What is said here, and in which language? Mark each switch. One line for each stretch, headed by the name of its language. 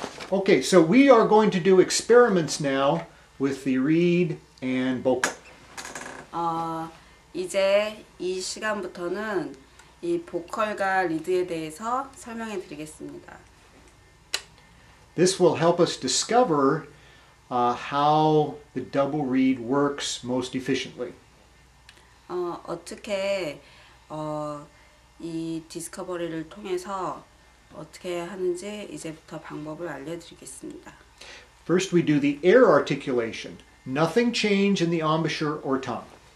English: Okay, so we are going to do experiments now with the reed and vocal.
Korean: 이제 이 시간부터는 이 보컬과 리드에 대해서 설명해 드리겠습니다.
English: This will help us discover how the double reed works most efficiently.
Korean: 어떻게 이 디스커버리를 통해서 어떻게 하는지 이제부터 방법을 알려드리겠습니다.
English: First, we do the air articulation. Nothing change in the embouchure or tongue.